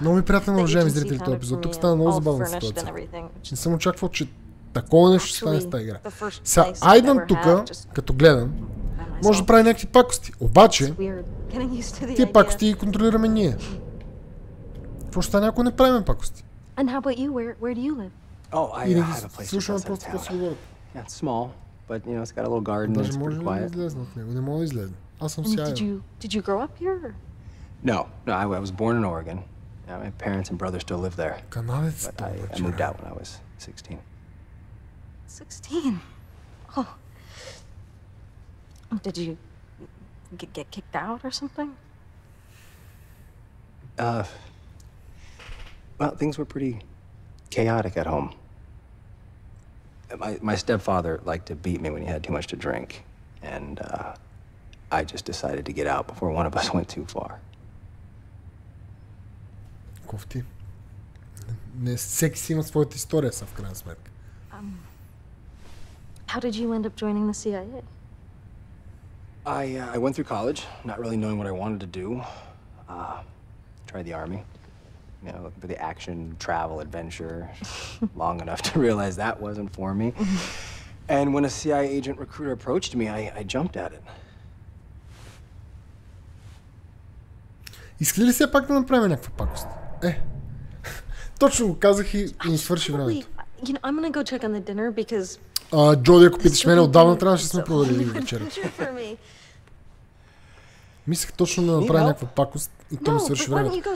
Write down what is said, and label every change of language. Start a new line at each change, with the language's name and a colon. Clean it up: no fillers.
Bulgarian: Много ми е приятен, уважаеми зрители, този епизод. Тук стана много забавна ситуация. Не съм очаквал, че такова нещо ще стане с тази игра. Сега, Айден тука, като гледам, може да прави някакви пакости. Обаче, тия пакости ги контролираме ние. Какво ще стане, ако не правим пакости?
English: And how about you? Where do you live? Oh, I have a place to stay. Yeah, it's small, but you know, it's got a little garden and it's pretty quiet.
Bulgarian: Даже може да излезна от него. Не мога да излезна.
English: Did you grow up here? No, I was born in Oregon. Yeah, my parents and brother still live there.
Bulgarian: Канадец.
English: But I moved out when I was 16. 16. Oh. Did you get kicked out or something? Well, things were pretty chaotic at home. My stepfather liked to beat me when he had too much to drink, and I just decided to get out before one of us went too far.
Bulgarian: Кофти. Не всеки си има своята история, са в крайна сметка.
English: How did you end up joining the CIA? I went through college, not really knowing what I wanted to do. Tried the army. You know, looking for the action, travel, adventure. Long enough to realize that wasn't for me. And when a CIA agent recruiter approached me, I jumped at it.
Bulgarian: Искали ли се пак да направим някаква пакост? Е. Точно го казах и не свърши времето.
English: You know, I'm gonna go check on the dinner because
Bulgarian: Джоди, ако питаш мене, отдавна трябваше да сме проверили вечерата. Мислех точно да направя някаква пакост и то ми свърши времето.